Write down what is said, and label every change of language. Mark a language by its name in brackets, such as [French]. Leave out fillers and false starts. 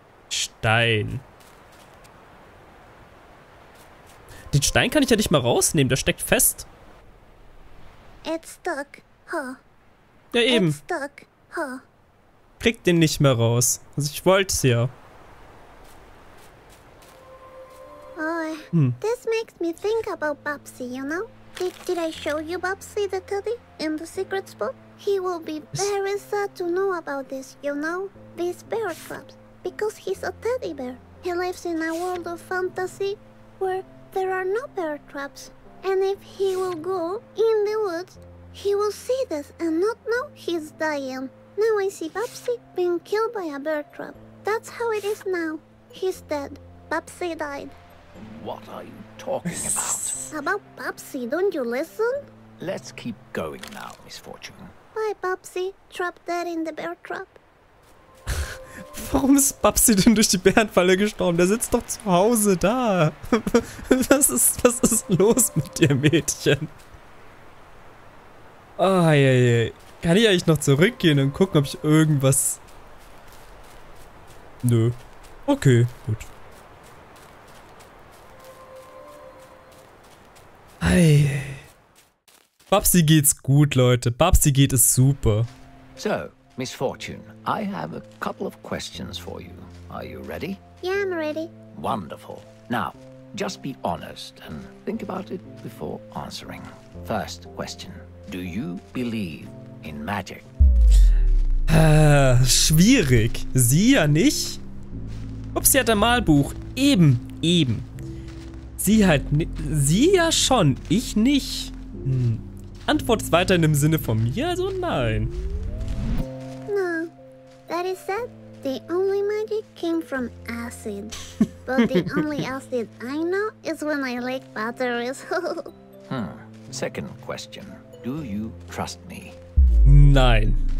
[German] Stein. Den Stein kann ich ja nicht mal rausnehmen, der steckt fest. [English] It's stuck, huh? [German] Ja, eben. [English] It's stuck, huh? [German] Kriegt den nicht mehr raus. Also ich wollte's ja. [English] Oh, this makes me think about Bubsy, you know? Did I show you Bubsy the teddy in the secret spot? He will be very sad to know about this, you know? These bear traps. Because he's a teddy bear. He lives in a world of fantasy where there are no bear traps. And if he will go in the woods, he will see this and not know he's dying. Now I see Bubsy being killed by a bear trap. That's how it is now. He's dead. Bubsy died. What are you talking about? About Bubsy, don't you listen? Let's keep going now, Miss Fortune. Bye, Bubsy. Trap dead in the bear trap. [German] Warum ist Bubsy denn durch die Bärenfalle gestorben? Der sitzt doch zu Hause da. Was ist los mit dir, Mädchen? Oh, eieiei. Kann ich eigentlich noch zurückgehen und gucken, ob ich irgendwas... Nö. Okay, gut. Eieiei. Bubsy geht's gut, Leute. Bubsy geht es super. So. [English] Miss Fortune, I have a couple of questions for you. Are you ready? Yeah, I'm ready. Wonderful. Now, just be honest and think about it before answering. First question, do you believe in magic? [German] Schwierig. Sie ja nicht. Ups, sie hat ein Malbuch. Eben, eben. Sie halt, sie ja schon, ich nicht. Antwort ist weiterhin im Sinne von mir, also nein. [English] That is said, the only magic came from acid. But the only acid I know is when I lick batteries. Second question. Do you trust me? [German] Nein.